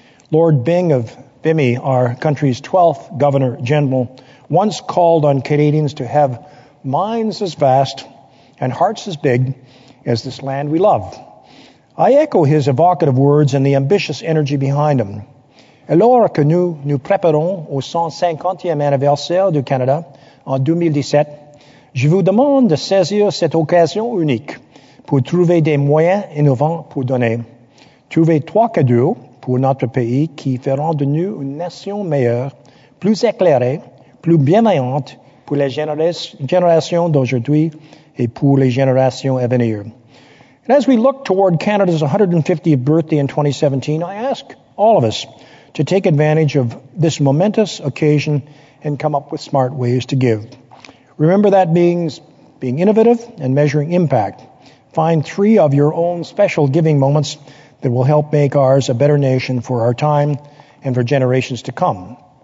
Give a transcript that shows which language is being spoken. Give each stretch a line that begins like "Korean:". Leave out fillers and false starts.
English: Lord Byng of Vimy, our country's 12th Governor General, once called on Canadians to have minds as vast and hearts as big as this land we love. I echo his evocative words and the ambitious energy behind them.
French: Alors que nous préparons au 150e anniversaire du Canada en 2017, je vous demande de saisir cette occasion unique pour trouver des moyens innovants pour donner. Trouver trois cadeaux pour notre pays qui feront de nous une nation meilleure, plus éclairée, plus bienveillante pour les générations d'aujourd'hui et pour les générations à venir.
English: And as we look toward Canada's 150th birthday in 2017, I ask all of us to take advantage of this momentous occasion and come up with smart ways to give. Remember that means being innovative and measuring impact. Find three of your own special giving moments that will help make ours a better nation for our time and for generations to come.